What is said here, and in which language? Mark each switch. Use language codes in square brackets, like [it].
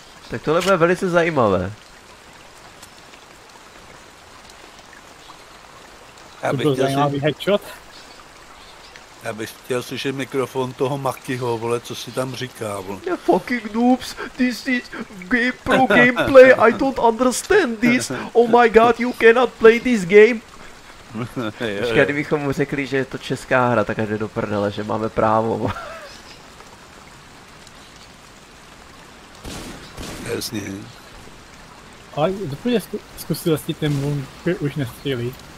[cs] Tak tohle bude velice zajímavé. Já bych chtěl zajímavý headshot. Já bych chtěl slyšet mikrofon toho Makiho, vole, co si tam říká, vole. [en] Yeah, fucking noobs, this is game pro gameplay, I don't understand this, oh my god, you cannot play this game. [cs] Jo, počkej, kdybychom mu řekli, že je to česká hra, tak jde do prdele, že máme právo. Jasně. Ale dopůjde zkusit vlastně ten bunk, už nestřílí.